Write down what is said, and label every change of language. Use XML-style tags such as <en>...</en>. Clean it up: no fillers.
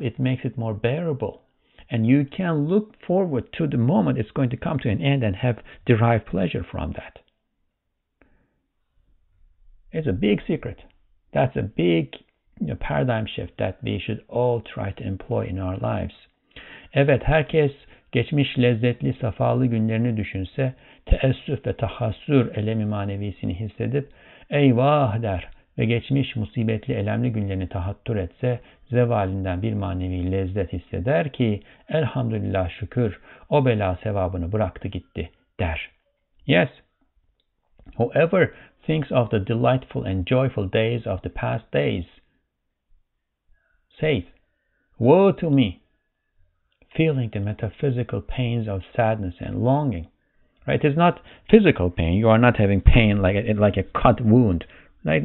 <en>It makes it more bearable. And you can look forward to the moment it's going to come to an end and have derived pleasure from that. It's a big secret. That's a big paradigm shift that we should all try to employ in our lives.</en> <tr>Evet, herkes geçmiş lezzetli, safalı günlerini düşünse, teessüf ve tahassür elemi manevisini hissedip, eyvah der ve geçmiş musibetli, elemli günlerini tahattür etse, zevalinden bir manevi lezzet hisseder ki, elhamdülillah şükür, o bela sevabını bıraktı gitti, der.</tr> <en>Yes, whoever thinks of the delightful and joyful days of the past days, says, woe to me, feeling the metaphysical pains of sadness and longing. Right? It's not physical pain. You are not having pain like a cut wound. Right?</en>